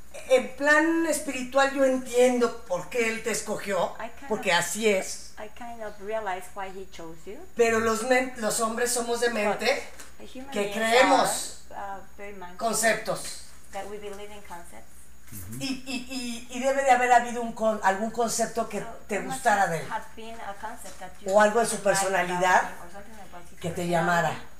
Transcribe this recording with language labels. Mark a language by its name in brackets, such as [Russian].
[Spanish] En plan espiritual yo entiendo por qué él te escogió, porque así es. [English] I kind of realize why he chose you. [Spanish] Pero los hombres somos de mente, que creemos conceptos. [English] That we believe in concepts. [Spanish] Y debe de haber habido algún concepto que te gustara de él. [English] Have been a concept that you [Spanish] o algo de su personalidad que te llamara.